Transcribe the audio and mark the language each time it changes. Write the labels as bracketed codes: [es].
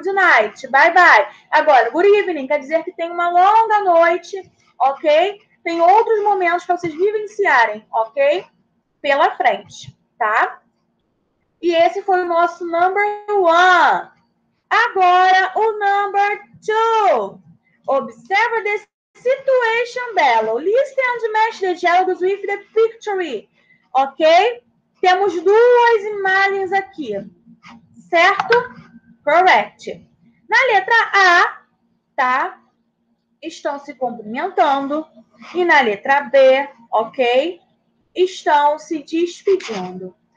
[en] Good night, bye bye. [pt] Agora, good evening quer dizer que tem uma longa noite, ok? Tem outros momentos para vocês vivenciarem, ok? Pela frente, tá? E esse foi o nosso number one. Agora, o number two. [en] Observe this situation below. Listen and match the dialogues with the picture. Ok? [pt] Temos duas imagens aqui. Certo? Correct. Na letra A, tá? Estão se cumprimentando. E na letra B, ok? Estão se despedindo.